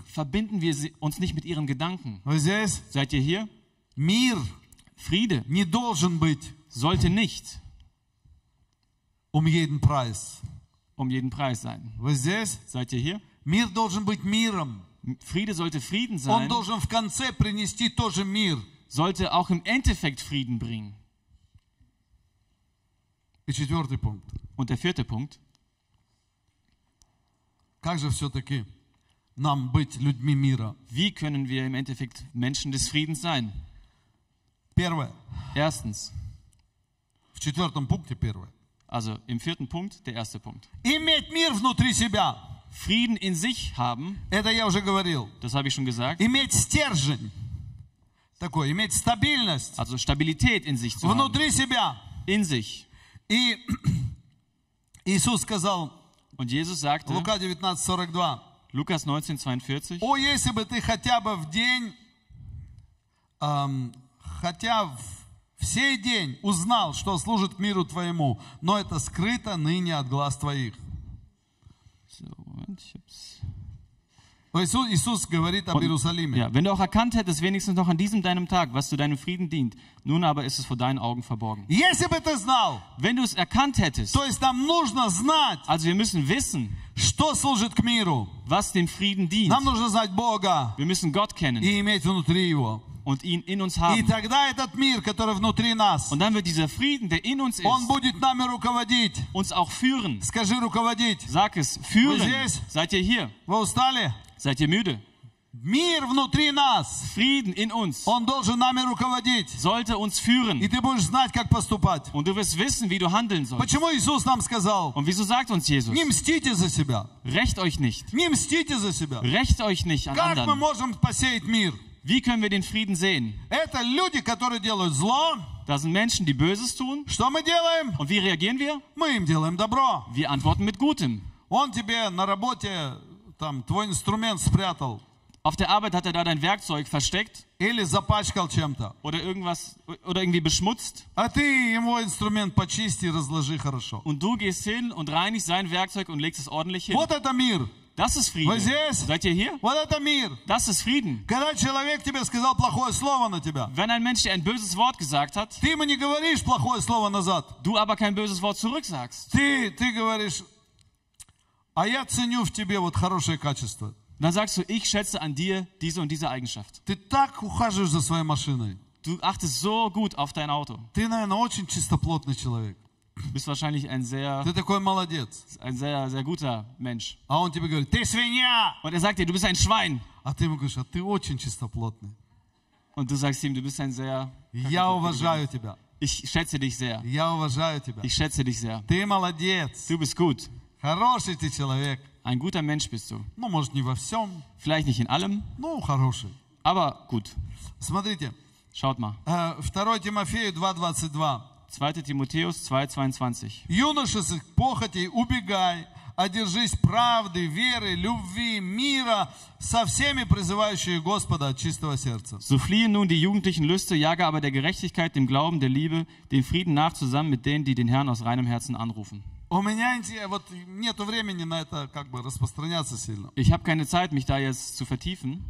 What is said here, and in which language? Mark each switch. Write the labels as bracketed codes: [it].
[de] Verbinden wir uns nicht mit ihren Gedanken. [ru] Вы здесь? [de] Seid ihr hier? [ru] Мир. [de] Friede. [ru] Не должен быть. [de] Sollte nicht. Um jeden Preis. Um jeden Preis sein. [ru] Вы здесь? [de] Seid ihr hier? [ru] Мир должен быть миром. [de] Friede sollte Frieden sein. [ru] Он должен в конце принести тоже мир. [de] Sollte auch im Endeffekt Frieden bringen. [ru] И четвертый пункт. [de] Und der vierte Punkt. [ru] Как же все-таки нам быть людьми мира? [de] Wie können wir im Endeffekt Menschen des Friedens sein? [ru] Первое. [de] Erstens. [ru] В четвертом пункте первое. [de] Also im vierten Punkt, der erste Punkt. [ru] Иметь мир внутри себя. [de] Frieden in sich haben. [ru] Это я уже говорил. [de] Das habe ich schon gesagt. [ru] Иметь стержень. Такой, иметь стабильность. [de] Also Stabilität in sich zu [ru] внутри Внутри себя. [de] In sich. [ru] И Иисус сказал. [de] Und Jesus sagte. [ru] Лука 19:42. [de] Lukas 19:42. [ru] О, если бы ты хотя бы в день, хотя в всей день узнал, что служит миру твоему, но это скрыто ныне от глаз твоих. [de] So, Moment, ich hab's [ru] Jesus говорит об Иерусалиме. [de] Ja, wenn du auch erkannt hättest, wenigstens noch an diesem deinem Tag, was zu deinem Frieden dient, nun aber ist es vor deinen Augen verborgen. [ru] Если бы ты знал, [de] wenn du es erkannt hättest, [ru] то есть нам нужно знать, [de] also wir müssen wissen, [ru] что служит к миру, [de] was dem Frieden dient. [ru] Нам нужно знать Бога, [de] wir müssen Gott kennen, [ru] и иметь внутри его. [de] Und ihn in uns haben. [ru] И тогда этот мир, который внутри нас, [de] und dann wird dieser Frieden, der in uns ist, [ru] он будет нами руководить, [de] uns auch führen. [ru] Скажи, руководить. [de] Sag es, führen. Seid ihr hier? [ru] Вы устали? [de] Seid ihr müde? [ru] Мир внутри нас, [de] Frieden in uns, [ru] он должен нами руководить, [de] sollte uns führen. [ru] И ты будешь знать, как поступать. [de] Und du wirst wissen, wie du handeln sollst. [ru] Почему Иисус нам сказал? [de] Und wieso sagt uns Jesus? [ru] Не мстите за себя. [de] Rächt euch nicht. [ru] Не мстите за себя. [de] Rächt euch nicht an [ru] как [de] anderen. [ru] Как мы можем посеять мир? [de] Wie können wir den Frieden sehen? [ru] Это люди, которые делают зло. [de] Das sind Menschen, die Böses tun. [ru] Что мы делаем? [de] Und wie reagieren wir? [ru] Мы им делаем добро. [de] Wir antworten mit Gutem. [ru] Он тебе на работе там твой инструмент спрятал. [de] Auf der Arbeit hat da dein Werkzeug versteckt. [ru] Или запачкал чем-то. [de] Oder irgendwas oder irgendwie beschmutzt. [ru] А ты его инструмент почисти, разложи хорошо. [de] Und du gehst hin und reinigst sein Werkzeug und legst es ordentlich hin. [ru] Вот это мир. [de] Das ist Frieden. Seid ihr hier? [ru] Вот это мир. [de] Das ist Frieden. [ru] Когда человек тебе сказал плохое слово на тебя. [de] Wenn ein Mensch dir ein böses Wort gesagt hat. [ru] Ты ему не говоришь плохое слово назад. [de] Du aber kein böses Wort zurücksagst. [ru] Ты говоришь, а я ценю в тебе вот хорошее качество. [de] Dann sagst du, ich schätze an dir diese und diese Eigenschaft. [ru] Ты так ухаживаешь за своей машиной. [de] Du achtest so gut auf dein Auto. [ru] Ты, наверное, очень чистоплотный человек. [de] Du bist wahrscheinlich ein sehr, [ru] ты такой молодец. [de] Ein sehr, sehr guter Mensch. [ru] А он тебе говорит, ты свинья. [de] Und sagt dir, du bist ein Schwein. [ru] А ты ему говоришь, а ты очень чистоплотный. [de] Und du sagst ihm, du bist ein sehr, [ru] я уважаю тебя. [de] Ich schätze dich sehr. [ru] Я уважаю тебя. [de] Ich schätze dich sehr. [ru] Ты молодец. [de] Du bist gut. [ru] Хороший ты человек. [de] Ein guter Mensch bist du. [ru] Ну, может, не во всем. [de] Vielleicht nicht in allem. [ru] Ну, хороший. [de] Aber gut. [ru] Смотрите. [de] Schaut mal. [ru] 2 Тимофею 2:22. 2 Тимофею 2:22. Юношеских похотей убегай, одержись правды, веры, любви, мира со всеми призывающими Господа от чистого сердца. [de] So fliehen nun die jugendlichen Lüste, jage aber der Gerechtigkeit, dem Glauben, der Liebe, dem Frieden nach zusammen mit denen, die den Herrn aus reinem Herzen anrufen. [ru] У меня вот нету времени на это как бы распространяться сильно. [de] Ich habe keine Zeit, mich da jetzt zu vertiefen.